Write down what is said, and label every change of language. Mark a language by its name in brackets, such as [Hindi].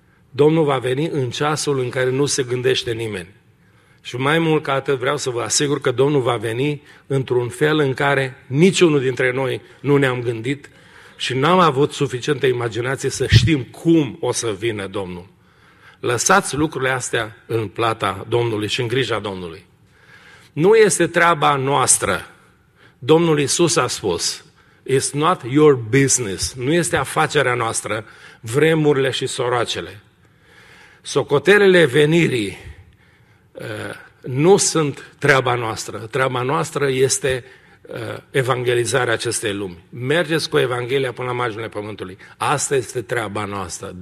[Romanian] Domnul va veni în ceasul în care nu se gândește nimeni. Și mai mult ca atât vreau să vă asigur că Domnul va veni într-un fel în care niciunul dintre noi nu ne-am gândit și n-am avut suficientă imaginație să știm cum o să vină Domnul. Lăsați lucrurile astea în plata Domnului și în grija Domnului. Nu este treaba noastră. Domnul Iisus a spus, [English] "It's not your business." [Romanian] Nu este afacerea noastră, vremurile și soroacele. Socotelele venirii nu sunt treaba noastră. Treaba noastră este evangelizarea acestei lumi. Mergeți cu Evanghelia până la marginile Pământului. Asta este treaba noastră.